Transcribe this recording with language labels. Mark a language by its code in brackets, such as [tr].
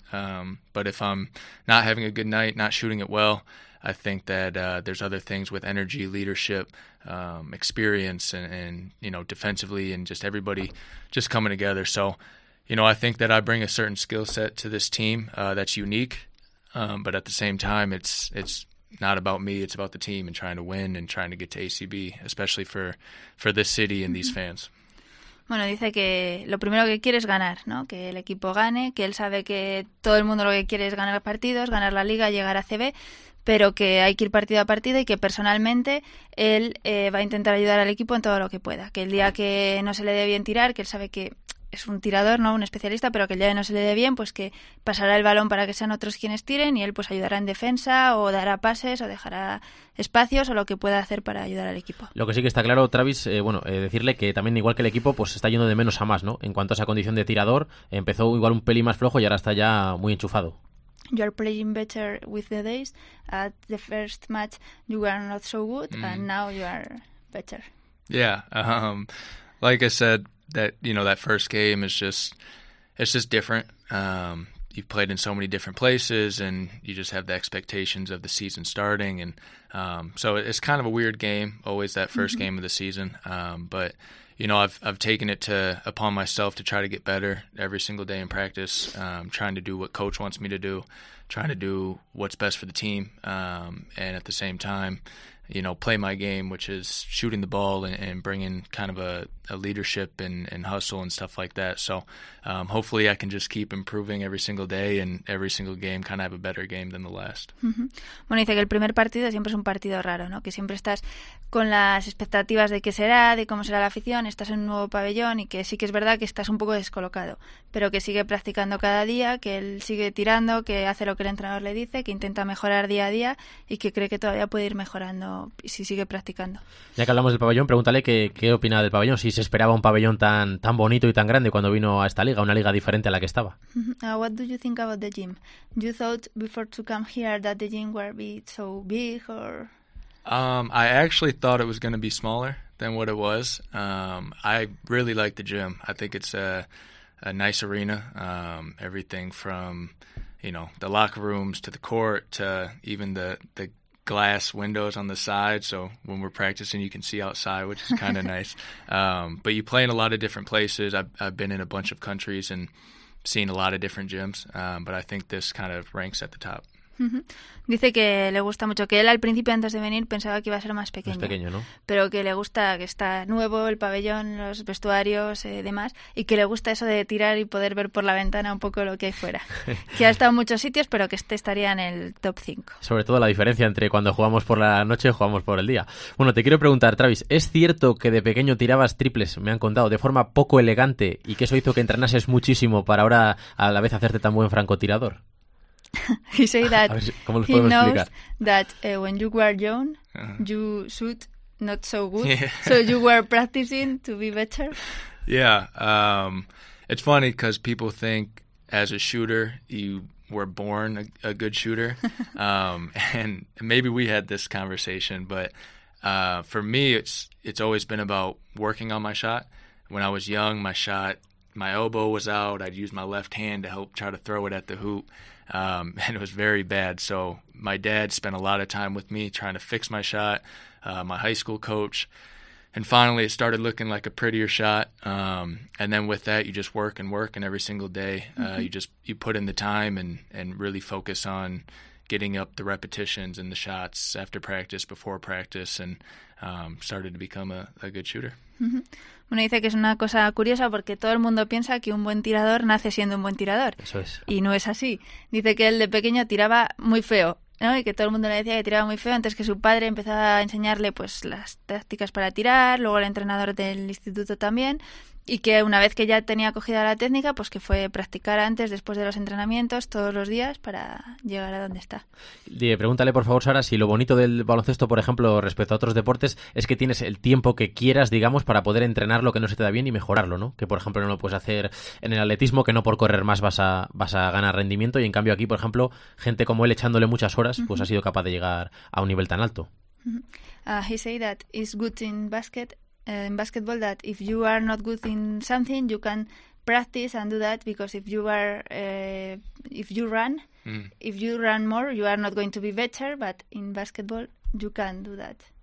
[en] And but if I'm not having a good night, not shooting it well, I think that there's other things with energy, leadership, experience, and you know, defensively, and just everybody just coming together. So, you know, I think that I bring a certain skill set to this team that's unique. But at the same time, it's not about me. It's about the team and trying to win and trying to get to ACB, especially for this city and these fans. [es] Bueno, dice que lo primero que quiere es ganar, ¿no? Que el equipo gane, que él sabe que todo el mundo lo que quiere es ganar partidos, ganar la liga, llegar a CB, pero que hay que ir partido a partido y que personalmente él va a intentar ayudar al equipo en todo lo que pueda. Que el día que no se le dé bien tirar, que él sabe que es un tirador, ¿no? Un especialista, pero que el día que no se le dé bien, pues que pasará el balón para que sean otros quienes tiren y él pues ayudará en defensa o dará pases o dejará espacios o lo que pueda hacer para ayudar al equipo. Lo que sí que está claro, Travis, decirle que también igual que el equipo, pues está yendo de menos a más, ¿no? En cuanto a esa condición de tirador, empezó igual un pelín más flojo y ahora está ya muy enchufado. [en] You are playing better with the days. At the first match you were not so good and now you are better. Yeah, like I said, that, you know, that first game is just, it's just different. You've played in so many different places and you just have the expectations of the season starting. And so it's kind of a weird game, always that first game of the season. But, you know, I've taken it to upon myself to try to get better every single day in practice, trying to do what coach wants me to do, trying to do what's best for the team. And at the same time, you know, play my game, which is shooting the ball and bringing kind of a leadership and hustle and stuff like that. So hopefully I can just keep improving every single day and every single game kind of have a better game than the last. [es] Bueno, dice que el primer partido siempre es un partido raro, ¿no? Que siempre estás con las expectativas de qué será, de cómo será la afición, estás en un nuevo pabellón y que sí que es verdad que estás un poco descolocado, pero que sigue practicando cada día, que él sigue tirando, que hace lo que el entrenador le dice, que intenta mejorar día a día y que cree que todavía puede ir mejorando si sigue practicando. Ya que hablamos del pabellón, pregúntale qué opina del pabellón, si se esperaba un pabellón tan bonito y tan grande cuando vino a esta liga, una liga diferente a la que estaba. [en] What do you think about the gym? You thought before to come here that the gym would be so big or... I actually thought it was going to be smaller than what it was. I really like the gym. I think it's a nice arena. Everything from, you know, the locker rooms to the court to even the glass windows on the side. So when we're practicing, you can see outside, which is kind of nice. But you play in a lot of different places. I've been in a bunch of countries and seen a lot of different gyms. But I think this kind of ranks at the top. [es] Dice que le gusta mucho, que él al principio antes de venir pensaba que iba a ser más pequeño. Más pequeño, ¿no? Pero que le gusta que está nuevo el pabellón, los vestuarios, demás, y que le gusta eso de tirar y poder ver por la ventana un poco lo que hay fuera. Que ha estado en muchos sitios, pero que este estaría en el top 5. Sobre todo la diferencia entre cuando jugamos por la noche y jugamos por el día. Bueno, te quiero preguntar, Travis, ¿es cierto que de pequeño tirabas triples, me han contado, de forma poco elegante y que eso hizo que entrenases muchísimo para ahora a la vez hacerte tan buen francotirador? [en] He said that he knows [es] explicar? [en] That when you were young, you shoot not so good, yeah. So you were practicing to be better. Yeah, it's funny because people think as a shooter, you were born a good shooter. And maybe we had this conversation, but for me, it's always been about working on my shot. When I was young, my elbow was out. I'd use my left hand to help try to throw it at the hoop. And it was very bad. So my dad spent a lot of time with me trying to fix my shot, my high school coach. And finally, it started looking like a prettier shot. And then with that, you just work and work. And every single day, you put in the time and really focus on getting up the repetitions and the shots after practice, before practice, and started to become a good shooter. [es] Bueno, dice que es una cosa curiosa porque todo el mundo piensa que un buen tirador nace siendo un buen tirador. Eso es. Y no es así. Dice que él de pequeño tiraba muy feo, ¿no? Y que todo el mundo le decía que tiraba muy feo antes que su padre empezara a enseñarle pues las tácticas para tirar, luego el entrenador del instituto también, y que una vez que ya tenía cogida la técnica, pues que fue practicar antes, después de los entrenamientos, todos los días para llegar a donde está. Pregúntale, por favor, Sara, si lo bonito del baloncesto, por ejemplo, respecto a otros deportes, es que tienes el tiempo que quieras, digamos, para poder entrenar lo que no se te da bien y mejorarlo, ¿no? Que, por ejemplo, no lo puedes hacer en el atletismo, que no por correr más vas a ganar rendimiento, y en cambio aquí, por ejemplo, gente como él echándole muchas horas, pues ha sido capaz de llegar a un nivel tan alto. [en] He said that it's good in basketball that if you are not good in something, you can practice and do that, because if you are if you run more, you are not going to be better, but in basketball you can do that.